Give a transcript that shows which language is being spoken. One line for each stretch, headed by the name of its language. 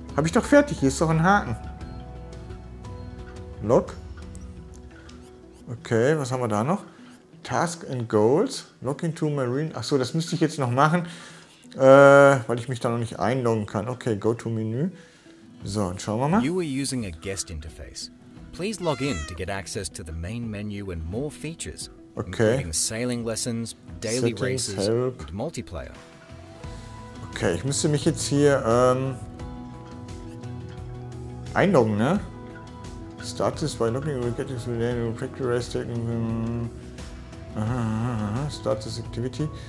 German: Habe ich doch fertig, hier ist doch ein Haken. Log. Okay, was haben wir da noch?
English: Task and Goals. Login to Marine.
German: Achso, das müsste ich jetzt noch machen, weil ich mich da noch nicht einloggen kann. Okay, go to Menü. So, und schauen wir mal.
English: You are using a guest interface. Please log in to get access to the main menu and more features. Okay. Including sailing lessons, daily Settings, races help. And multiplayer.
German: Okay, ich müsste mich jetzt hier einloggen, ne?
English: Start this by logging in, getting to the end, practice race, taking start this activity.